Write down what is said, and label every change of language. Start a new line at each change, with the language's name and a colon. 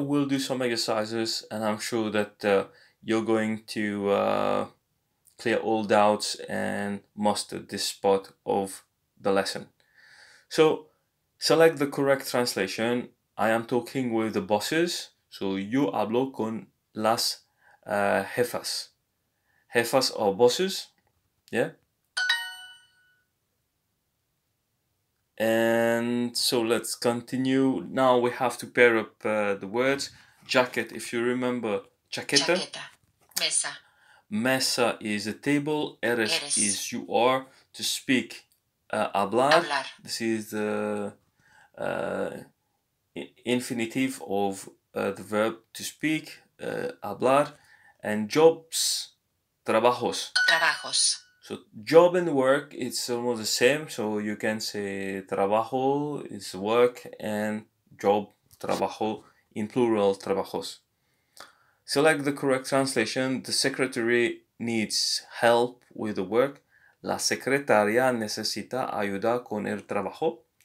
English: We'll do some exercises and I'm sure that you're going to clear all doubts and master this part of the lesson. So, select the correct translation. I am talking with the bosses.
Spanish: So yo hablo con las jefas.
English: Jefas are bosses. Yeah. And so let's continue. Now we have to pair up the words. Jacket, if you remember. Chaqueta.
Spanish: Mesa.
English: Mesa is a table. Eres is you are. To speak. Hablar.
Spanish: Hablar.
English: This is the infinitive of the verb to speak, hablar, and jobs, trabajos.
Spanish: Trabajos.
English: So job and work, it's almost the same. So you can say trabajo is work and job, trabajo, in plural, trabajos. Select the correct translation. The secretary needs help with the work.
Spanish: La secretaria necesita ayuda con el trabajo.